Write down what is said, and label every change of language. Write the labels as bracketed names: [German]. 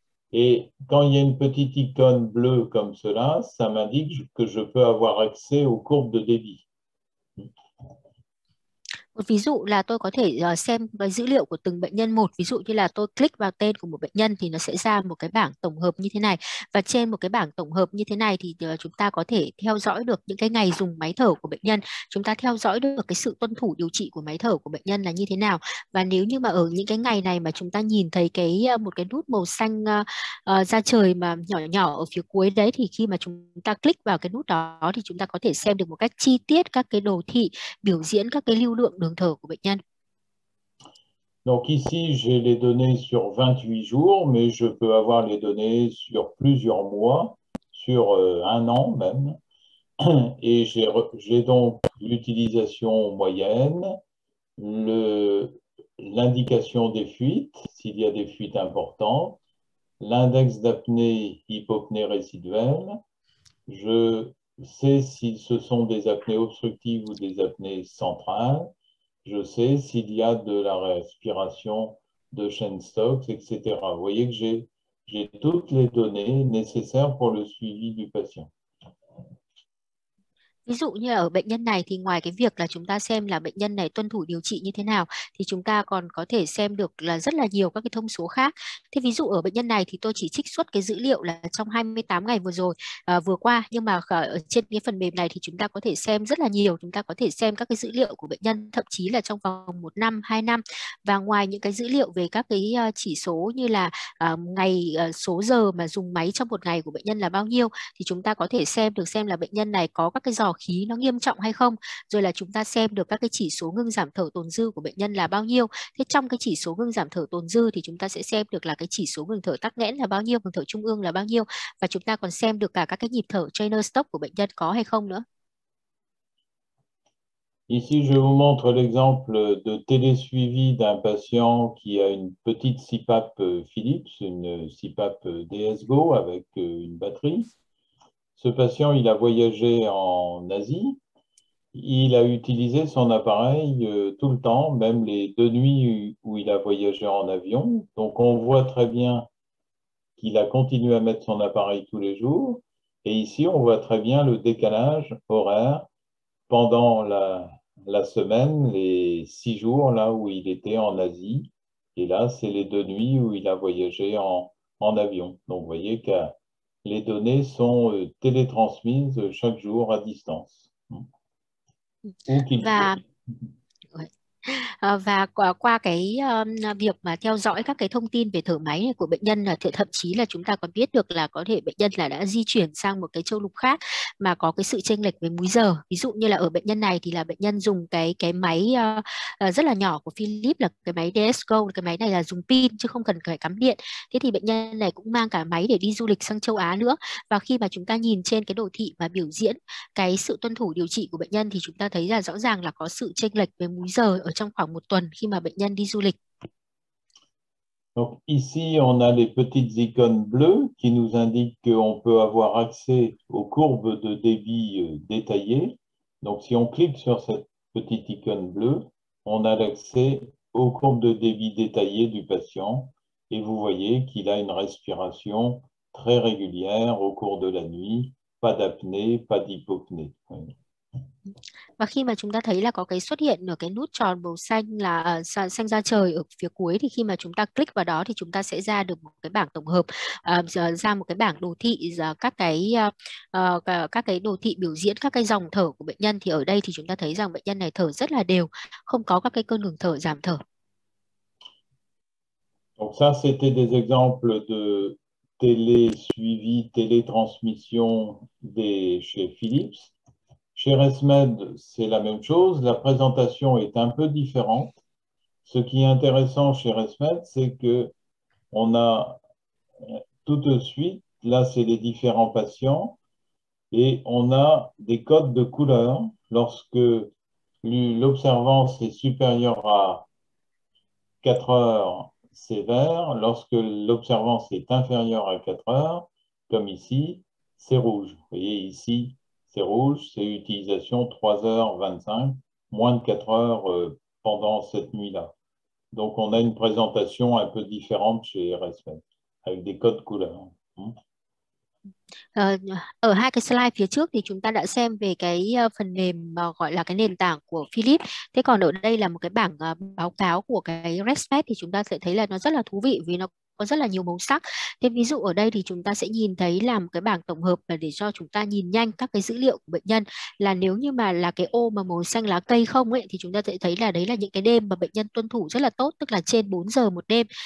[French] Et quand il y a une petite icône bleue comme cela, ça m'indique que je peux avoir accès aux courbes de débit. [Vietnamese] Một ví dụ là tôi có thể xem cái dữ liệu của từng bệnh nhân một. Ví dụ như là tôi click vào tên của một bệnh nhân thì nó sẽ ra một cái bảng tổng hợp như thế này. Và trên một cái bảng tổng hợp như thế này thì chúng ta có thể theo dõi được những cái ngày dùng máy thở của bệnh nhân. Chúng ta theo dõi được cái sự tuân thủ điều trị của máy thở của bệnh nhân là như thế nào. Và nếu như mà ở những cái ngày này mà chúng ta nhìn thấy cái một cái nút màu xanh da trời mà nhỏ nhỏ ở phía cuối đấy, thì khi mà chúng ta click vào cái nút đó thì chúng ta có thể xem được một cách chi tiết các cái đồ thị biểu diễn các cái lưu lượng đường thở của bệnh nhân. [French] Donc ici, j'ai les données sur 28 jours, mais je peux avoir les données sur plusieurs mois, sur un an même. Et j'ai donc l'utilisation moyenne, l'indication des fuites, s'il y a des fuites importantes, l'index d'apnée hypopnée résiduelle. Je sais si ce sont des apnées obstructives ou des apnées centrales. Je sais s'il y a de la respiration de chaîne Stokes, etc. Vous voyez que j'ai toutes les données nécessaires pour le suivi du patient. [Vietnamese] Ví dụ như ở bệnh nhân này thì ngoài cái việc là chúng ta xem là bệnh nhân này tuân thủ điều trị như thế nào, thì chúng ta còn có thể xem được là rất là nhiều các cái thông số khác. Thế ví dụ ở bệnh nhân này thì tôi chỉ trích xuất cái dữ liệu là trong 28 ngày vừa rồi, vừa qua, nhưng mà ở trên cái phần mềm này thì chúng ta có thể xem rất là nhiều. Chúng ta có thể xem các cái dữ liệu của bệnh nhân, thậm chí là trong vòng 1 năm, 2 năm. Và ngoài những cái dữ liệu về các cái chỉ số như là ngày, số giờ mà dùng máy trong một ngày của bệnh nhân là bao nhiêu, thì chúng ta có thể xem được xem là bệnh nhân này có các cái dò khí nó nghiêm trọng hay không, rồi là chúng ta xem được các cái chỉ số ngưng giảm thở tồn dư của bệnh nhân là bao nhiêu. Thế trong cái chỉ số ngưng giảm thở tồn dư thì chúng ta sẽ xem được là cái chỉ số ngừng thở tắc nghẽn là bao nhiêu, ngừng thở trung ương là bao nhiêu, và chúng ta còn xem được cả các cái nhịp thở trainer stop của bệnh nhân có hay không nữa. [French] Ici, je vous montre l'exemple de télésuivi d'un patient qui a une petite CPAP Philips, une CPAP DSGO avec une batterie. Ce patient, il a voyagé en Asie. Il a utilisé son appareil tout le temps, même les 2 nuits où il a voyagé en avion. Donc, on voit très bien qu'il a continué à mettre son appareil tous les jours. Et ici, on voit très bien le décalage horaire pendant la semaine, les 6 jours là où il était en Asie, et là, c'est les 2 nuits où il a voyagé en avion. Donc, vous voyez que les données sont télétransmises chaque jour à distance, où qu'il soit. [Vietnamese] Và qua qua cái việc mà theo dõi các cái thông tin về thở máy này của bệnh nhân là thậm chí là chúng ta còn biết được là có thể bệnh nhân là đã di chuyển sang một cái châu lục khác mà có cái sự chênh lệch về múi giờ. Ví dụ như là ở bệnh nhân này thì là bệnh nhân dùng cái máy rất là nhỏ của Philips, là cái máy DSGo, cái máy này là dùng pin chứ không cần phải cắm điện. Thế thì bệnh nhân này cũng mang cả máy để đi du lịch sang châu Á nữa. Và khi mà chúng ta nhìn trên cái đồ thị mà biểu diễn cái sự tuân thủ điều trị của bệnh nhân thì chúng ta thấy là rõ ràng là có sự chênh lệch về múi giờ ở trong khoảng 1 tuần khi mà bệnh nhân đi du lịch. [French] Donc ici, on a les petites icônes bleues qui nous indiquent qu'on peut avoir accès aux courbes de débit détaillées. Donc si on clique sur cette petite icône bleue, on a l'accès aux courbes de débit détaillées du patient et vous voyez qu'il a une respiration très régulière au cours de la nuit, pas d'apnée, pas d'hypopnée. [Vietnamese] Và khi mà chúng ta thấy là có cái xuất hiện ở cái nút tròn màu xanh là xanh da trời ở phía cuối, thì khi mà chúng ta click vào đó thì chúng ta sẽ ra được một cái bảng tổng hợp, ra một cái bảng đồ thị các cái đồ thị biểu diễn các cái dòng thở của bệnh nhân. Thì ở đây thì chúng ta thấy rằng bệnh nhân này thở rất là đều, không có các cái cơn ngừng thở, giảm thở. [French] Donc ça, c'était des exemples de télésuivi, télétransmission chez Philips. Chez ResMed, c'est la même chose. La présentation est un peu différente. Ce qui est intéressant chez ResMed, c'est que on a tout de suite, là, c'est les différents patients, et on a des codes de couleur. Lorsque l'observance est supérieure à 4 heures, c'est vert. Lorsque l'observance est inférieure à 4 heures, comme ici, c'est rouge. Vous voyez ici, c'est rouge, c'est utilisation 3h25, moins de 4 heures pendant cette nuit-là. Donc on a une présentation un peu différente chez RSM, avec des codes couleurs. [Vietnamese] Ở hai cái slide phía trước thì chúng ta đã xem về cái phần mềm gọi là cái nền tảng của Philips. Thế còn ở đây là một cái bảng báo cáo của cái ResMed, thì chúng ta sẽ thấy là nó rất là thú vị vì nó có rất là nhiều màu sắc. Thế ví dụ ở đây thì chúng ta sẽ nhìn thấy là một cái bảng tổng hợp là để cho chúng ta nhìn nhanh các cái dữ liệu của bệnh nhân, là nếu như mà là cái ô mà màu xanh lá cây không ấy, thì chúng ta sẽ thấy là đấy là những cái đêm mà bệnh nhân tuân thủ rất là tốt, tức là trên 4 giờ một đêm.